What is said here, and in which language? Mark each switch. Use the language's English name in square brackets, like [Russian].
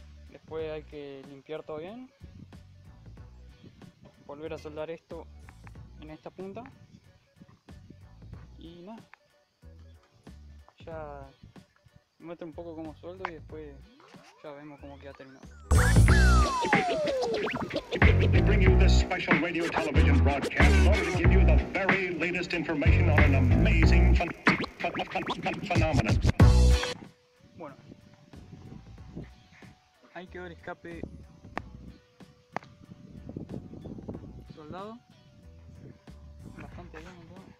[Spanish] Después hay que limpiar todo bien, volver a soldar esto en esta punta y nada, ya muestro un poco cómo sueldo y después ya vemos cómo queda terminado. [English] To bring you this special radio television broadcast, in order to give you the very latest information on an amazing phenomenon. [Spanish] Bueno, ahí quedó el escape soldado. Bastante bien, ¿no?